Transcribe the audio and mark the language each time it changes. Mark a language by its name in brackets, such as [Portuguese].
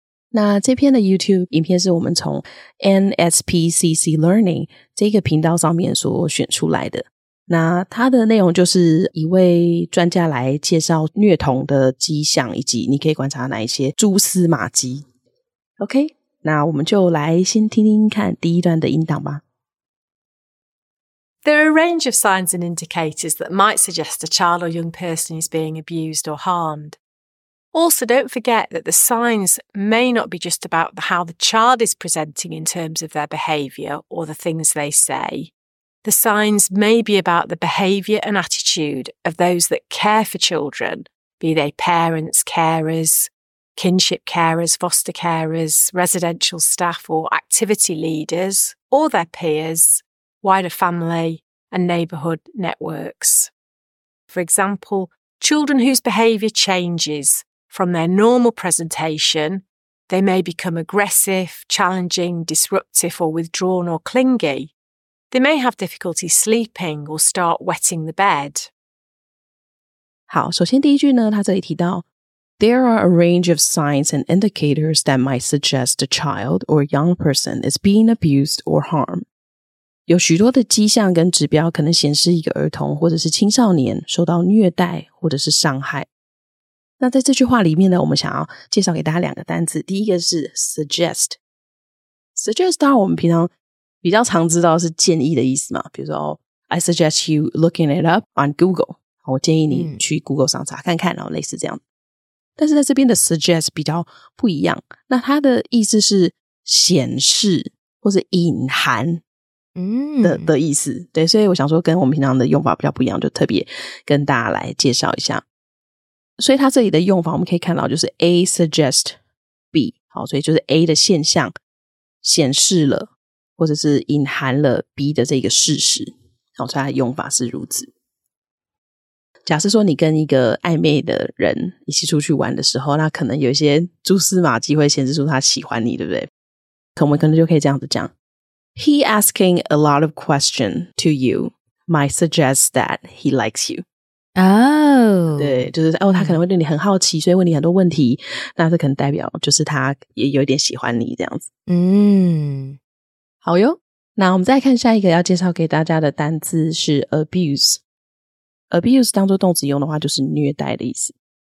[Chinese] 那这篇的 YouTube 影片是我们从 NSPCC Learning 这个频道上面所选出来的，那它的内容就是一位专家来介绍虐童的迹象，以及你可以观察哪一些蛛丝马迹。 OK， 那我们就来先听听看第一段的音档吧。 [English] There are a range of signs and indicators that might suggest a child or young person is being abused or harmed. Also, don't forget that the signs may not be just about how the child is presenting in terms of their behaviour or the things they say. The signs may be about the behaviour and attitude of those that care for children, be they parents, carers, kinship carers, foster carers, residential staff or activity leaders, or their peers, wider family and neighbourhood networks. For example, children whose behaviour changes from their normal presentation, they may become aggressive, challenging, disruptive or withdrawn or clingy. They may have difficulty sleeping or start wetting the bed. [Chinese] 好，首先第一句呢，他这里提到 [English] There are a range of signs and indicators that might suggest a child or young person is being abused or harmed. [Chinese] 有许多的迹象跟指标可能显示一个儿童或者是青少年受到虐待或者是伤害。那在这句话里面呢，我们想要介绍给大家两个单字。第一个是 suggest。suggest 当然我们平常比较常知道是建议的意思嘛，比如说 [English] I suggest you looking it up on Google， [Chinese] 我建议你去 Google 上查看看，然后类似这样。但是在这边的 suggest 比较不一样，那它的意思是显示或是隐含 的意思。对，所以我想说跟我们平常的用法比较不一样，就特别跟大家来介绍一下。所以它这里的用法我们可以看到，就是 [English] A suggest B， [Chinese] 好，所以就是 A 的现象显示了或者是隐含了 B 的这个事实，好，所以它的用法是如此。假设说你跟一个暧昧的人一起出去玩的时候，那可能有一些蛛丝马迹会显示出他喜欢你，对不对？可我们可能就可以这样子讲， [English] He asking a lot of question to you might suggest that he likes you。哦、 [Chinese] 对，就是哦，他可能会对你很好奇，所以问你很多问题，那这可能代表就是他也有点喜欢你这样子。嗯，好哟。那我们再看下一个要介绍给大家的单字是 abuse。 abuse 当作动词用的话，就是虐待的意思。